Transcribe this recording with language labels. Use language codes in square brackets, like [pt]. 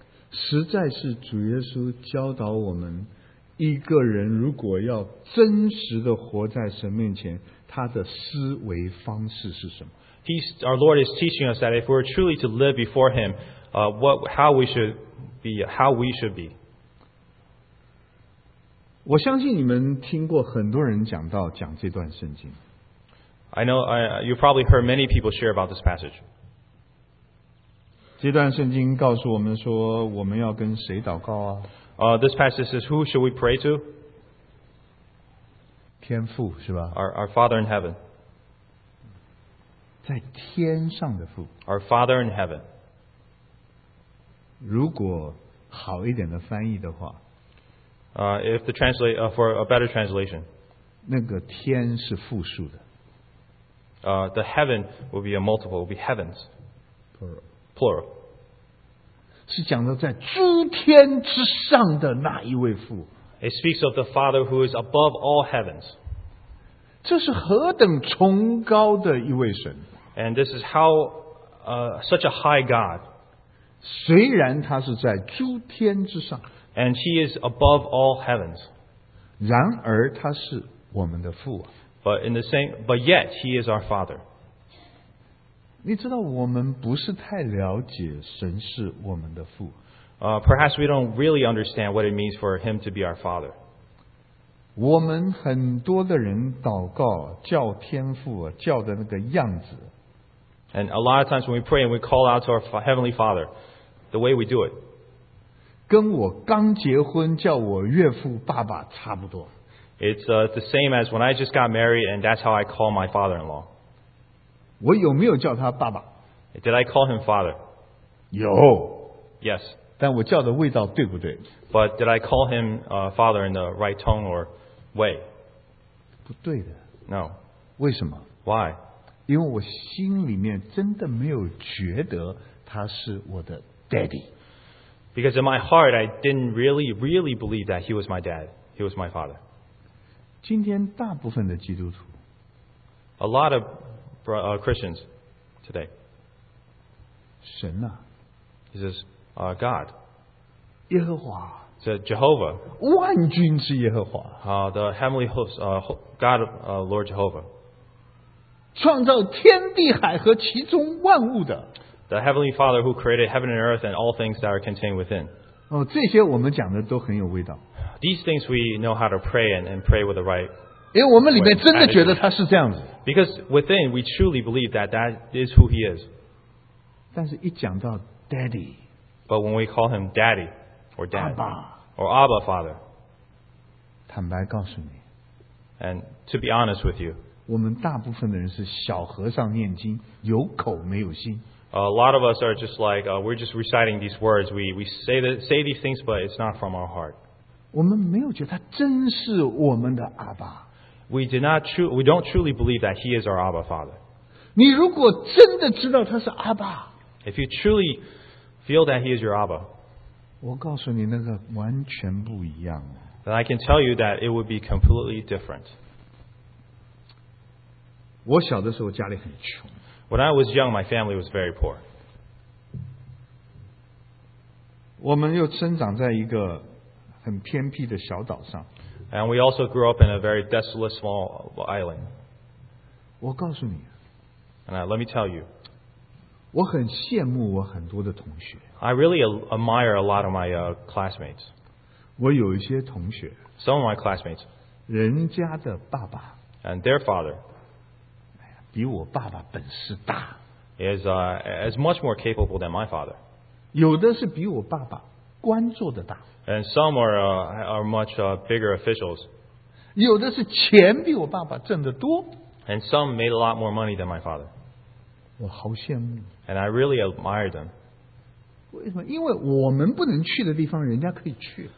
[zh] 实在是主耶稣教导我们一个人如果要真实的活在神面前他的思维方式是什么 [en] Our Lord is teaching us that if we're truly to live before Him, how we should be. [zh] 我相信你们听过很多人讲这段圣经。 [en] I know you probably heard many people share about this passage. [zh] 这段圣经告诉我们说我们要跟谁祷告啊 [en] This passage says, who should we pray to? [zh] 天父是吧 [en] our Father in heaven. [zh] 在天上的父 [en] our Father in heaven. [zh] 如果好一点的翻译的话 [en] if the translate, for a better translation, [zh] 那个天是复数的 [en] the heaven will be a multiple, will be heavens. Plural. [zh] 是讲的在诸天之上的那一位父。 [en] It speaks of the Father who is above all heavens. [zh] 这是何等崇高的一位神。 [en] And this is how, such a high God. [zh] 虽然他是在诸天之上。 [en] And he is above all heavens. [zh] 然而他是我们的父。 [en] But in the same, but yet he is our Father. [zh] 你知道我们不是太了解神是我们的父。 [en] Perhaps we don't really understand what it means for him to be our father. [zh] 我们很多的人祷告叫天父叫的那个样子。 [en] And a lot of times when we pray and we call out to our heavenly father, the way we do it. [zh] 跟我刚结婚叫我岳父爸爸差不多。 [en] It's the same as when I just got married and that's how I call my father-in-law. [zh] 我有没有叫他爸爸? [en] Did I call him father? [zh] 有。 [en] Yes. [zh] 但我叫的味道对不对? [en] But did I call him father in the right tone or way? [zh] 不对的。 [en] No. [zh] 为什么? [en] Why? [zh] 因为我心里面真的没有觉得他是我的 daddy. [en] Because in my heart, I didn't really, really believe that he was my dad. He was my father. [zh] 今天大部分的基督徒 [en] A lot of Christians today. [zh] 神啊。 [en] He says,God. [zh] 耶和华。 [en] So Jehovah. [zh] 万军之耶和华。 [en] The heavenly host, God, Lord Jehovah. [zh] 创造天地海和其中万物的。 [en] The heavenly father who created heaven and earth and all things that are contained within. [zh] 哦，这些我们讲的都很有味道。 [en] These things we know how to pray and pray with the right. [zh] 因为我们里面真的觉得他是这样子。 [en] Because within we truly believe that that is who he is. [zh] 但是一讲到 daddy. [en] But when we call him daddy or dad Abba, or Abba father, [zh] 坦白告诉你, [en] and to be honest with you, [zh] 我们大部分的人是小和尚念经, 有口没有心。 [en] A lot of us are just like, we're just reciting these words. We say these things, but it's not from our heart. [zh] 我们没有觉得他真是我们的 Abba. [en] We don't truly believe that he is our Abba father. [zh] 你如果真的知道他是 Abba, [en] if you truly... Feel that he is your Abba. [zh] 我告诉你那个完全不一样。 [en] Then I can tell you that it would be completely different. [zh] 我小的时候家里很穷。 [en] When I was young, my family was very poor. [zh] 我们又生长在一个很偏僻的小岛上。 [en] And we also grew up in a very desolate small island. [zh] 我告诉你。 [en] And let me tell you. [zh] 我很羡慕我很多的同学。 [en] I really admire a lot of my classmates. [zh] 我有一些同学。 [en] Some of my classmates. [zh] 人家的爸爸。 [en] And their father. [zh] 比我爸爸本事大。 [en] Is much more capable than my father. [zh] 有的是比我爸爸官做的大。 [en] And some are much bigger officials. [zh] 有的是钱比我爸爸挣得多。 [en] And some made a lot more money than my father. [zh] 我好羡慕。 [en] And I really admire them. [zh] 为什么？因为我们不能去的地方，人家可以去。